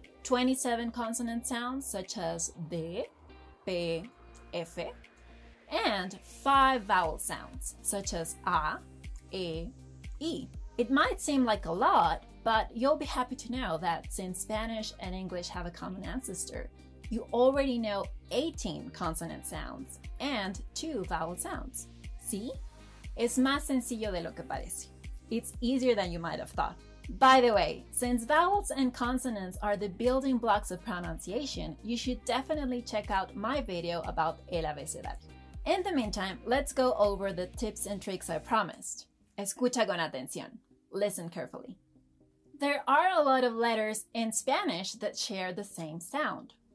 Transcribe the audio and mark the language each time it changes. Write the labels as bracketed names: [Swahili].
[English] 27 consonant sounds such as D, B, F, and 5 vowel sounds such as A, E, I. It might seem like a lot, but you'll be happy to know that since Spanish and English have a common ancestor, you already know 18 consonant sounds and 2 vowel sounds. See? [Spanish] Es más sencillo de lo que parece. [English] It's easier than you might have thought. By the way, since vowels and consonants are the building blocks of pronunciation, you should definitely check out my video about el abecedario. In the meantime, let's go over the tips and tricks I promised. [Spanish] Escucha con atención. [English] Listen carefully. There are a lot of letters in Spanish that share the same sound.